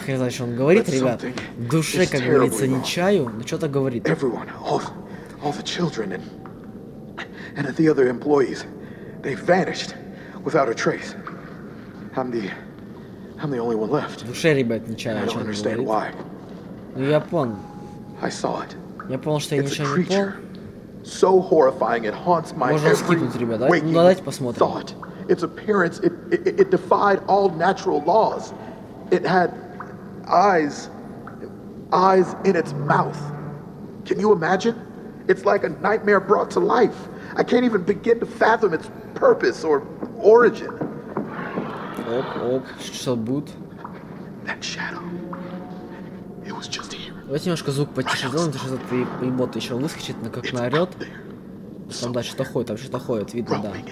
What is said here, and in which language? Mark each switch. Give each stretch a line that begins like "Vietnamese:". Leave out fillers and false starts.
Russian: Хрен знает, что он говорит, ребят. В душе, как говорится, не чаю, но что-то говорит.
English: Everyone, all the children and the other employees, they vanished without a trace. I'm the only one left.
Russian: В душе, ребят, не чаю, что-то говорит.
English: Why.
Russian: Ну, я понял.
English: I saw it.
Russian: Я понял, что я ничего не понял.
English: So horrifying, it haunts my every waking thought.
Russian: Можно скипнуть, ребят, да? Ну, давайте посмотрим.
English: Its appearance, it defied all natural laws. It had eyes in its mouth. Can you imagine? It's like a nightmare brought to life. I can't even begin to fathom its purpose or origin.
Russian: Оп, оп, что будет?
English: That shadow, it was just here.
Russian: Давайте немножко звук потише сделаем, потому что этот ебот еще выскочит, но как наорет. Там, да, что-то ходит, там что-то ходит, видно, да.